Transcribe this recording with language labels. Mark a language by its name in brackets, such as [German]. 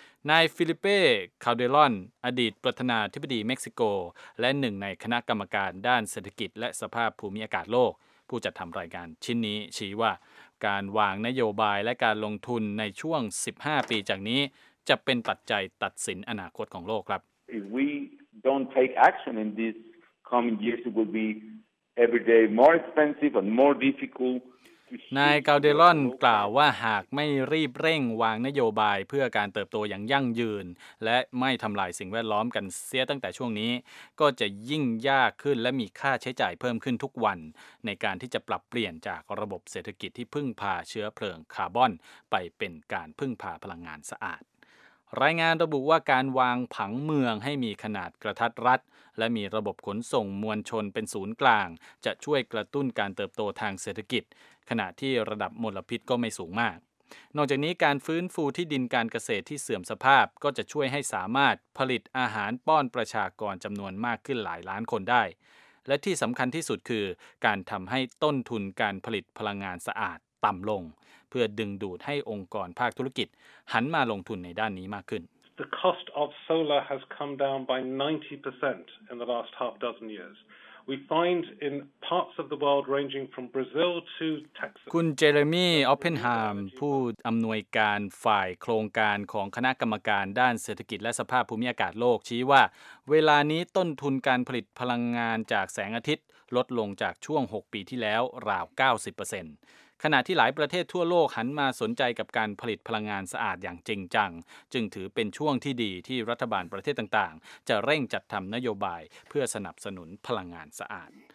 [Thai] นายฟิลิเป้คาลเดรอนอดีตประธานาธิบดีเม็กซิโกและหนึ่งในคณะกรรมการด้านเศรษฐกิจและสภาพภูมิอากาศโลกผู้จัดทำรายการชิ้นนี้ชี้ว่าการวางนโยบายและการลงทุนในช่วง15ปีจากนี้จะเป็นปัจจัยตัดสินอนาคตของโลกครับ [English] If we don't take action in these coming years it will be every day more expensive and more difficult [Thai] นายกาลเดรอนกล่าวว่าหากไม่รีบเร่งวางนโยบายเพื่อการเติบโตอย่างยั่งยืนและไม่ทำลายสิ่งแวดล้อมกันเสียตั้งแต่ช่วงนี้ก็จะยิ่งยากขึ้นและมีค่าใช้จ่ายเพิ่มขึ้นทุกวันในการที่จะปรับเปลี่ยนจากระบบเศรษฐกิจที่พึ่งพาเชื้อเพลิงคาร์บอนไปเป็นการพึ่งพาพลังงานสะอาด รายงานระบุว่าการวางผังเมืองให้มีขนาดกระทัดรัดและมีระบบขนส่งมวลชนเป็นศูนย์กลางจะช่วยกระตุ้นการเติบโตทางเศรษฐกิจขณะที่ระดับมลพิษก็ไม่สูงมากนอกจากนี้การฟื้นฟูที่ดินการเกษตรที่เสื่อมสภาพก็จะช่วยให้สามารถผลิตอาหารป้อนประชากรจำนวนมากขึ้นหลายล้านคนได้ และที่สำคัญที่สุดคือการทำให้ต้นทุนการผลิตพลังงานสะอาดต่ำลงเพื่อดึงดูดให้องค์กรภาคธุรกิจหันมาลงทุนในด้านนี้มากขึ้น [English] The cost of solar has come down by 90% in the last half dozen years We find in parts of the world ranging from Brazil to Texas. [Thai] คุณเจเรมี่ออปเพนไฮม์ผู้อำนวยการฝ่ายโครงการของคณะกรรมการด้านเศรษฐกิจและสภาพภูมิอากาศโลกชี้ว่าเวลานี้ต้นทุนการผลิตพลังงานจากแสงอาทิตย์ลดลงจากช่วง6ปีที่แล้วราว 90%ขณะที่หลายประเทศทั่วโลกหันมาสนใจกับการผลิตพลังงานสะอาดอย่างจริงจังจึงถือเป็นช่วงที่ดีที่รัฐบาลประเทศต่างๆจะเร่งจัดทำนโยบายเพื่อสนับสนุนพลังงานสะอาด